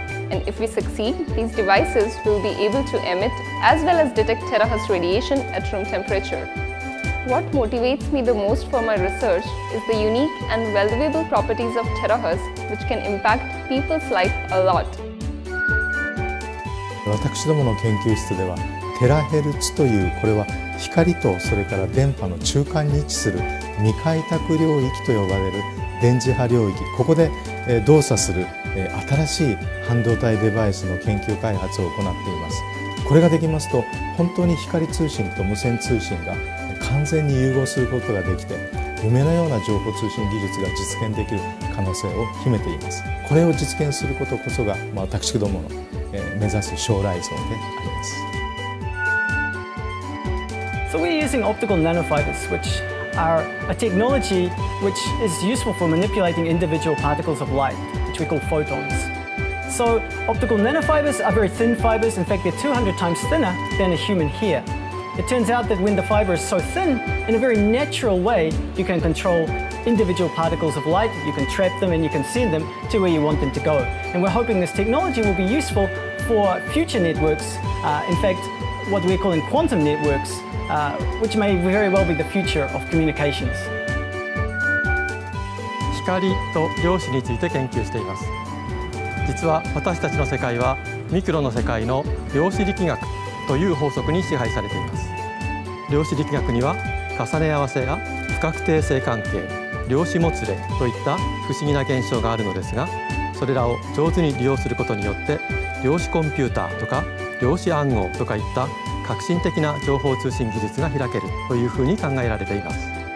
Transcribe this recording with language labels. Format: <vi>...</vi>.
<en>And if we succeed, these devices will be able to emit as well as detect terahertz radiation at room temperature. What motivates me the most for my research is the unique and valuable properties of terahertz, which can impact people's life a lot.</en> <ja>私どもの研究室では、テラヘルツという、これは光とそれから電波の中間に位置する未開拓領域と呼ばれる電磁波領域、ここで動作する新しい半導体デバイスの研究開発を行っています。これができますと、本当に光通信と無線通信が完全に融合することができて、夢のような情報通信技術が実現できる可能性を秘めています。これを実現することこそが、私どもの目指す将来像であります。</ja> <en>So we're using optical nanofibers, which are a technology which is useful for manipulating individual particles of light, which we call photons. So optical nanofibers are very thin fibers. In fact, they're 200 times thinner than a human hair. It turns out that when the fiber is so thin, in a very natural way, you can control individual particles of light, you can trap them and you can send them to where you want them to go. And we're hoping this technology will be useful for future networks, in fact, what we're calling quantum networks, which may very well be the future of communications.</en> <ja>光と量子について研究しています。実は私たちの世界はミクロの世界の量子力学という法則に支配されています。量子力学には重ね合わせや不確定性関係、量子もつれといった不思議な現象があるのですが、それらを上手に利用することによって、量子コンピューターとか量子暗号とかいった革新的な情報通信技術が開けるというふうに考えられています。</ja>